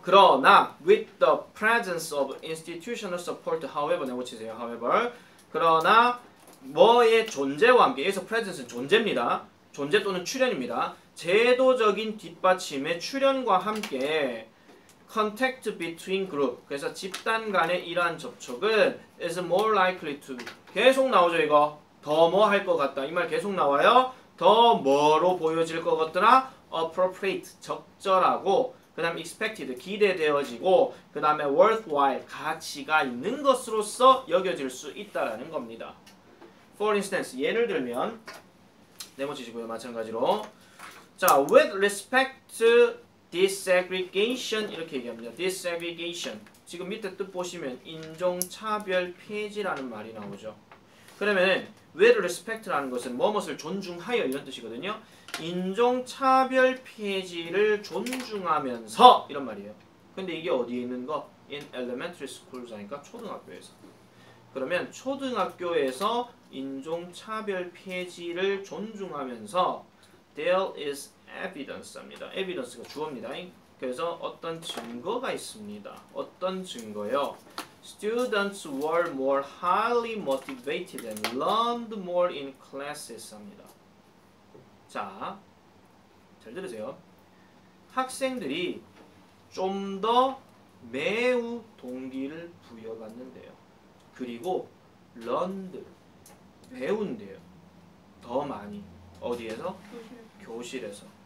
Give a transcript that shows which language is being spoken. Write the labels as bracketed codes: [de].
[ko] 그러나 [en] with the presence of institutional support however [ko] 내고 치세요. however 그러나 뭐의 존재와 함께 여기서 presence는 존재입니다. 존재 또는 출현입니다. 제도적인 뒷받침의 출현과 함께 [en] contact between group [ko] 그래서 집단 간의 이러한 접촉은 [en] is more likely to [ko] 계속 나오죠 이거 더 뭐 할 것 같다 이 말 계속 나와요 더 뭐로 보여질 것 같더라 appropriate 적절하고 그 다음 expected 기대되어지고 그 다음에 worthwhile 가치가 있는 것으로서 여겨질 수 있다라는 겁니다. [en] For instance [ko] 예를 들면 네모 치시고요 마찬가지로 자 [en] with respect to disaggregation [ko] 이렇게 얘기합니다. disaggregation 지금 밑에 뜻 보시면 인종차별 폐지라는 말이 나오죠. 그러면 where respect라는 것은 무엇을 존중하여 이런 뜻이거든요. 인종차별 폐지를 존중하면서 이런 말이에요. 근데 이게 어디에 있는 거? [en] In elementary schools, [ko] 그러니까 초등학교에서. 그러면 초등학교에서 인종차별 폐지를 존중하면서 [en] there is evidence [ko] 입니다. evidence가 주어입니다. 그래서 어떤 증거가 있습니다. 어떤 증거요? [en] Students were more highly motivated and learned more in classes [ko] 합니다. 자, 잘 들으세요. 학생들이 좀 더 매우 동기를 부여받는데요. 그리고 learned, 배운대요. 더 많이. 어디에서? 교실에서.